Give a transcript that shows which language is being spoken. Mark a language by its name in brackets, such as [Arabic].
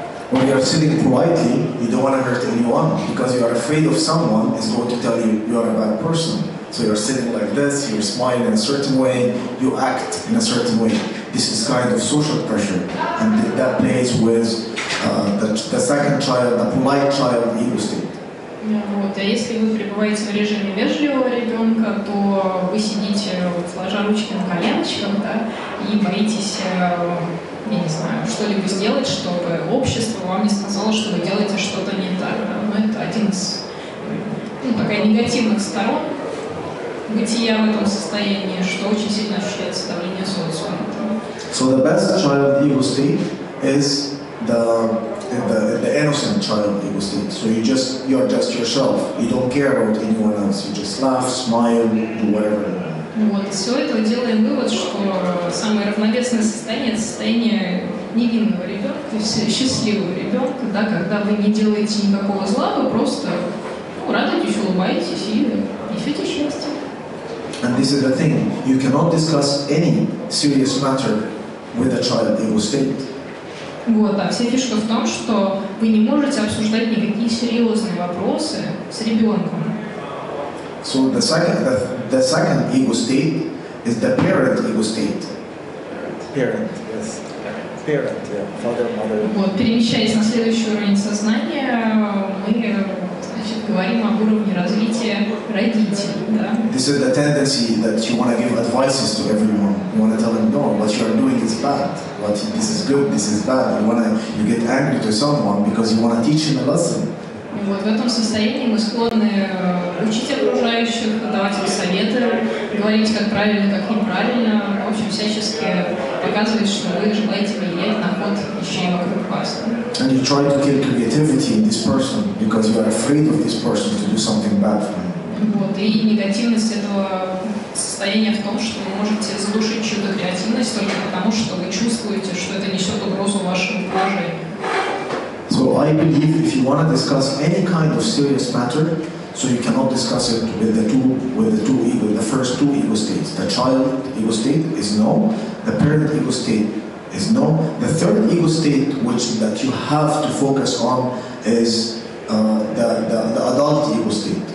[English] When you are sitting politely, you don't want to hurt anyone because you are afraid of someone is going to tell you you are a bad person. So you are sitting like this, you smile in a certain way, you act in a certain way. This is kind of social pressure, and that plays with the second child, the polite child in the state. [Russian] Вот. А если вы пребываете в режиме вежливого ребенка, то вы сидите, вот, сложа ручки на коленочках, да, и боитесь, я не знаю, что-либо сделать, чтобы общество вам не сказало, что вы делаете что-то не так. Да. Но это один из, ну, такая негативных сторон бытия в этом состоянии, что очень сильно ощущается давление социума. [English] So the best child ego state is the innocent child ego state. So you're just yourself. You don't care about anyone else. You just laugh, smile, do whatever. [Russian] Вот, из всего этого делаем вывод, что самое равновесное состояние — это состояние невинного ребенка, счастливого ребенка, да, когда вы не делаете никакого зла, вы просто, ну, радуетесь, улыбаетесь и несете счастье. [English] And this is the thing: you cannot discuss any serious matter with a child ego state. [Russian] Вот, а вся фишка в том, что вы не можете обсуждать никакие серьезные вопросы с ребенком. [English] So the second ego state is the parent ego state. Parent, yes. Parent, yeah. Father, mother. [Russian] Вот, перемещаясь на следующий уровень сознания, мы, значит, говорим об уровне развития родителей, да? [English] This is the tendency that you want to give advices to everyone. You want to tell them, no, what you are doing is bad. What, this is good, this is bad. You get angry to someone because you want to teach them a lesson. [Russian] Вот, в этом состоянии мы склонны учить окружающих, давать им советы, говорить, как правильно, как неправильно. В общем, всячески показывать, что вы желаете влиять на ход вещей вокруг вас. [English] And you try to kill creativity in this person because you are afraid of this person to do something bad for him. [Russian] Вот, и негативность этого состояния в том, что вы можете задушить чью-то креативность только потому, что вы чувствуете, что это несет угрозу вашему окружению. [English] So I believe if you want to discuss any kind of serious matter, so you cannot discuss it with the first two ego states. The child ego state is no, the parent ego state is no. The third ego state that you have to focus on is the adult ego state.